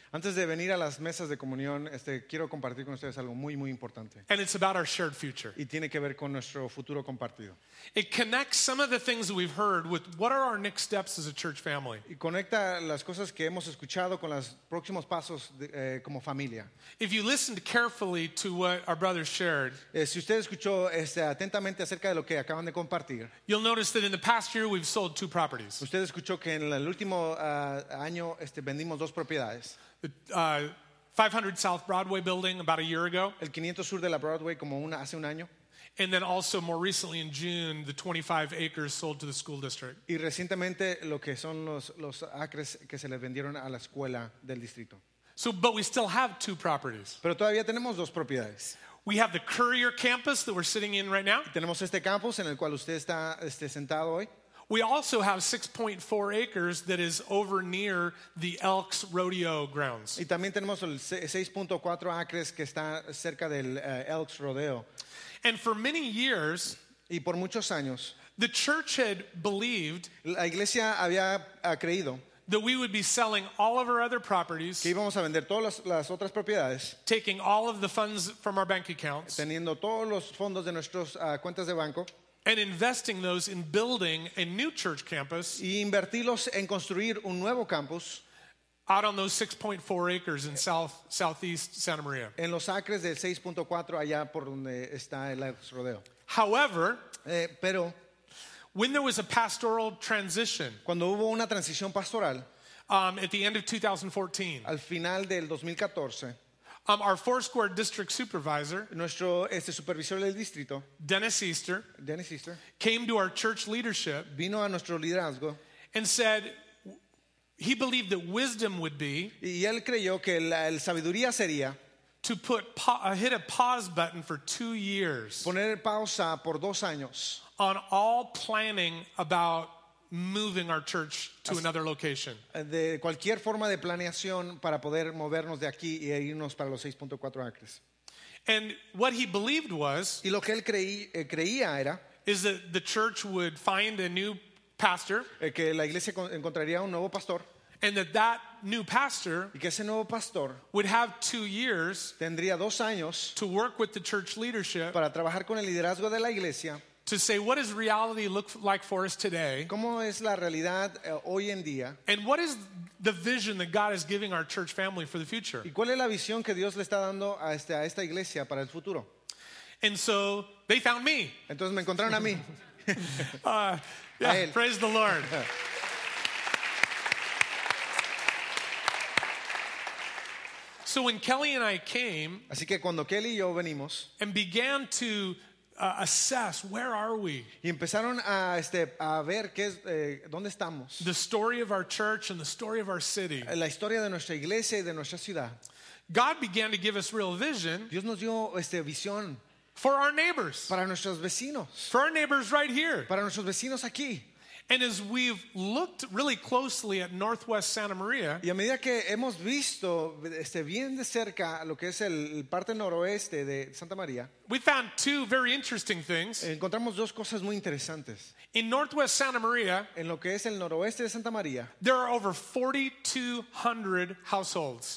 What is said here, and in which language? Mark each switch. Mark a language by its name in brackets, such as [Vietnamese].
[Spanish] Antes de venir a las mesas de comunión, quiero compartir con ustedes algo muy, muy importante. [English] And it's about our shared future. [Spanish] Y tiene que ver con nuestro futuro compartido. [English] It connects some of the things that we've heard with what are our next steps as a church family. [Spanish] Y conecta las cosas que hemos escuchado con los próximos pasos como familia. [English] If you listened carefully to what our brother shared, [Spanish] si usted escuchó atentamente acerca de lo que acaban de compartir, [English] you'll notice that in the past year we've sold two properties. [Spanish] Usted escuchó que en el último año vendimos dos propiedades. [English] The 500 South Broadway building about a year ago. [Spanish] El 500 Sur de la Broadway como hace un año. [English] And then also more recently in June, the 25 acres sold to the school district. [Spanish] Y recientemente lo que son los acres que se les vendieron a la escuela del distrito. [English] So, but we still have two properties. [Spanish] Pero todavía tenemos dos propiedades. [English] We have the Courier campus that we're sitting in right now. [Spanish] Tenemos este campus en el cual usted está sentado hoy. [English] We also have 6.4 acres that is over near the Elks Rodeo grounds. [Spanish] Y también tenemos el 6.4 acres que está cerca del Elks Rodeo. [English] And for many years, [Spanish] y por muchos años, [English] the church had believed, [Spanish] la iglesia había creído, [English] that we would be selling all of our other properties, [Spanish] que íbamos a vender todas las otras propiedades, [English] taking all of the funds from our bank accounts, [Spanish] teniendo todos los fondos de nuestros cuentas de banco, [English] and investing those in building a new church campus, [Spanish] y invertirlos en construir un nuevo campus, [English] out on those 6.4 acres in southeast Santa Maria. [Spanish] En los acres del 6.4 allá por donde está el rodeo. [English] However, [Spanish] pero [English] when there was a pastoral transition, [Spanish] cuando hubo una transición pastoral, [English] at the end of 2014, [Spanish] al final del 2014. [English] Our Foursquare district supervisor, [Spanish] nuestro supervisor del distrito, [English] Dennis Easter, came to our church leadership, [Spanish] vino a nuestro liderazgo, [English] and said he believed that wisdom would be, [Spanish] y él creyó que la sabiduría sería, [English] to put hit a pause button for 2 years, [Spanish] poner pausa por dos años, [English] on all planning about moving our church to another location. [Spanish] De cualquier forma de planeación para poder movernos de aquí y irnos para los 6.4 acres. [English] And what he believed was, [Spanish] y lo que él creía era, [English] is that the church would find a new pastor, [Spanish] que la iglesia encontraría un nuevo pastor, [English] and that new pastor, [Spanish] y que ese nuevo pastor [English] would have 2 years, [Spanish] tendría dos años, [English] to work with the church leadership, [Spanish] para trabajar con el liderazgo de la iglesia, [English] to say what does reality look like for us today? [Spanish] ¿Cómo es la realidad hoy en día? [English] And what is the vision that God is giving our church family for the future? [Spanish] ¿Y cuál es la visión que Dios le está dando a esta iglesia para el futuro? [English] And so they found me. [Spanish] Entonces me encontraron a mí. [English] yeah, [Spanish] a él. [English] Praise the Lord. So when Kelly and I came, [Spanish] así que cuando Kelly y yo venimos, [English] and began to assess where are we? [Spanish] Y empezaron a ver qué es dónde estamos. [English] The story of our church and the story of our city. [Spanish] La historia de nuestra iglesia y de nuestra ciudad. [English] God began to give us real vision. [Spanish] Dios nos dio visión [English] for our neighbors. [Spanish] Para nuestros vecinos. [English] For our neighbors right here. [Spanish] Para nuestros vecinos aquí. [English] And as we've looked really closely at Northwest Santa Maria, [Spanish] y a medida que hemos visto bien de cerca lo que es el parte noroeste de Santa María, [English] we found two very interesting things. [Spanish] Encontramos dos cosas muy interesantes. [English] In Northwest Santa Maria, [Spanish] en lo que es el noroeste de Santa María, [English] there are over 4,200 households.